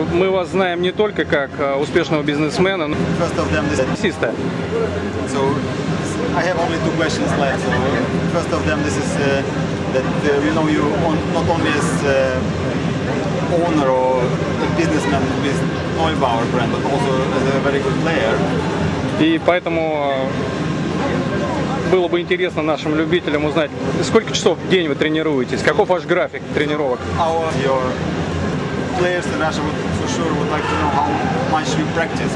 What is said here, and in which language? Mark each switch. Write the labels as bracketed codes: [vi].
[ru] Мы вас знаем не только как успешного бизнесмена, но... [en] First of them, this is... So, I have only two questions left. So, first of them, this is... That we know you not only as owner or a businessman with Neubauer brand, but also as a very good player. [ru] И поэтому было бы интересно нашим любителям узнать, сколько часов в день вы тренируетесь, каков ваш график тренировок. [en] Your players in Russia would for sure would like to know how much you practice.